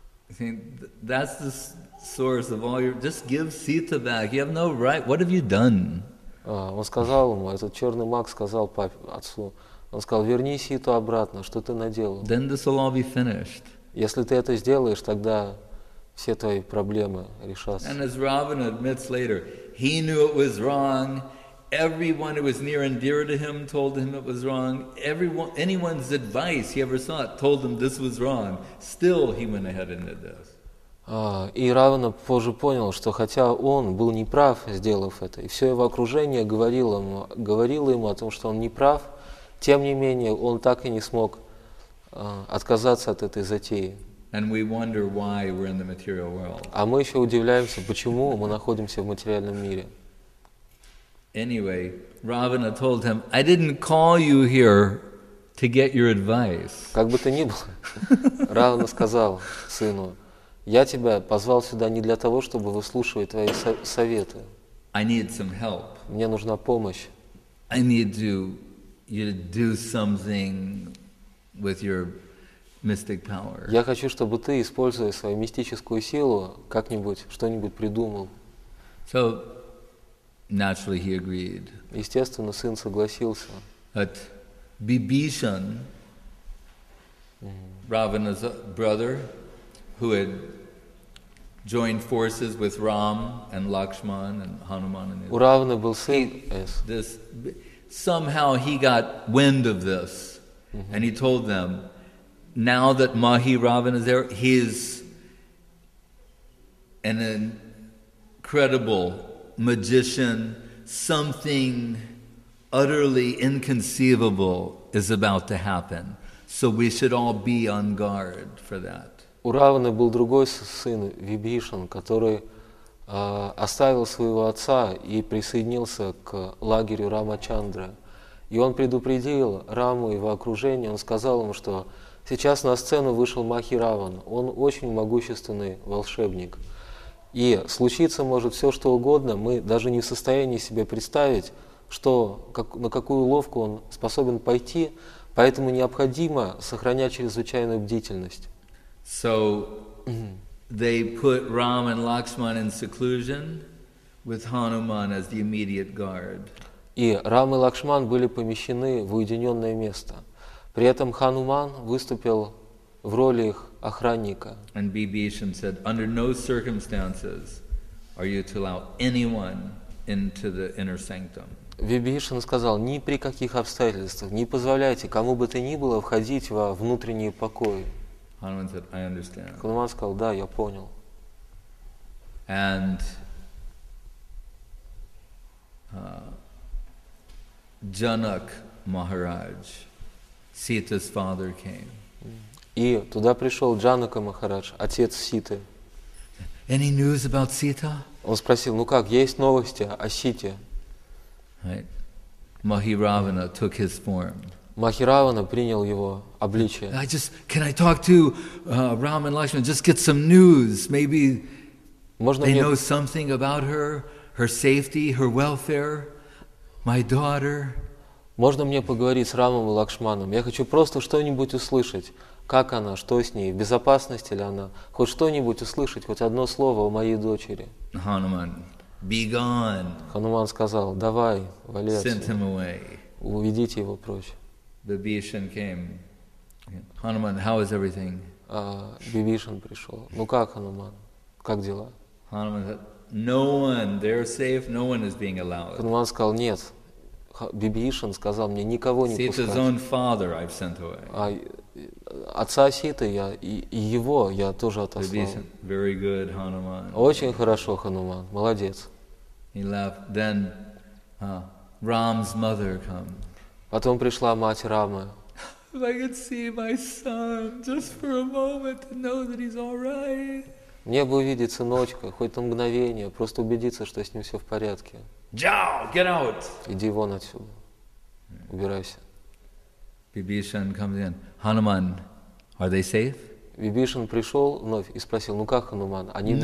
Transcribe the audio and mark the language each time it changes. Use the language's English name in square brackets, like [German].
[English] That's the source of all your. Just give Sita back. You have no right. What have you done? [Russian] Он сказал ему, этот черный маг сказал папе, отцу. Он сказал, верни Ситу обратно. Что ты наделал? [English] Then this will all be finished. [Russian] Если ты это сделаешь, тогда все твои проблемы решатся. [English] And as Ravana admits later, he knew it was wrong, Everyone who was near and dear to him told him it was wrong. Anyone's advice he ever sought told him this was wrong. Still, he went ahead and did this. [Russian] И Равана позже понял, что хотя он был неправ, сделав это, и все его окружение говорило ему о том, что он неправ, тем не менее он так и не смог отказаться от этой затеи. [English] And we wonder why we're in the material world. [Russian] А мы еще удивляемся, почему мы находимся в материальном мире. [English] Anyway, Ravana told him, "I didn't call you here to get your advice." [Russian] Как бы то ни было, Равана сказал сыну: "Я тебя позвал сюда не для того, чтобы выслушивать твои советы. [English] I need some help. [Russian] Мне нужна помощь. [English] I need you to do something with your mystic power." [Russian] Я хочу, чтобы ты, используя свою мистическую силу, как-нибудь что-нибудь придумал. [English] So naturally he agreed. [Russian] Естественно, сын согласился. [English] But Bibhishan, Ravana's brother, who had joined forces with Ram and Lakshman and Hanuman and [Russian] у Равана был сын. [English] This somehow he got wind of this, and he told them, "Now that Mahi Ravana is there, he is an incredible magician. Something utterly inconceivable is about to happen. So we should all be on guard for that." [Russian] У Равана был другой сын, Вибхишан, который оставил своего отца и присоединился к лагерю Рамачандра. И он предупредил Раму и его окружение, он сказал ему, что сейчас на сцену вышел Махи Раван. Он очень могущественный волшебник. И случиться может все, что угодно, мы даже не в состоянии себе представить, на какую ловку он способен пойти, поэтому необходимо сохранять чрезвычайную бдительность. [English] So they put Ram and Lakshman in seclusion with Hanuman as the immediate guard. [Russian] И Рам и Лакшман были помещены в уединенное место. При этом Хануман выступил в роли их охранника. [English] And Bibhishan said, "Under no circumstances are you to allow anyone into the inner sanctum." [Russian] Вибхишан сказал: "Ни при каких обстоятельствах не позволяйте кому бы то ни было входить во внутренние покои." [English] Hanuman said, "I understand." [Russian] Хануман сказал: "Да, я понял." [English] And Janak Maharaj, Sita's father, came. [Russian] И туда пришел Джанака Махарадж, отец Ситы. [English] Any news about Sita? [Russian] Он спросил: "Ну как, есть новости о Сите?" [English] Right. Mahi Ravana took his form. [Russian] Махи Равана принял его обличие. [English] I just, can I talk to Ram and Lakshman? Just get some news. Maybe they know something about her, her safety, her welfare, my daughter. [Russian] Можно мне поговорить с Рамом и Лакшманом? Я хочу просто что-нибудь услышать. Как она? Что с ней? В безопасности ли она? Хоть что-нибудь услышать, хоть одно слово о моей дочери. [English] Hanuman, be gone. [Russian] Хануман сказал: "Давай, вали отсюда." [English] Send him away. [Russian] Уведите его прочь. [English] Bibhishan came. Hanuman, how is everything? [Russian] Bibhishan пришел. Ну как, Хануман? Как дела? [English] Hanuman said, "No one. They're safe. No one is being allowed." [Russian] Хануман сказал: "Нет." Bibhishan сказал мне: "Никого не пускать." [English] Sita's own father I've sent away. [Russian] Отца Ситы я и его я тоже отослал. [English] Bibhishan, very good, Hanuman. [Russian] Очень хорошо, Хануман. Молодец. [English] He left. Then Ram's mother come. [Russian] Потом пришла мать Рамы. [English] If I could see my son just for a moment to know that he's all right. [Russian] Мне бы увидеть сыночка, хоть на мгновение, просто убедиться, что с ним все в порядке. [English] Jao, get out. [Russian] Иди вон отсюда. Убирайся. [English] Bibhishan comes in. Hanuman, are they safe? [Russian] Bibhishan пришел вновь и спросил: "Ну как, Хануман, они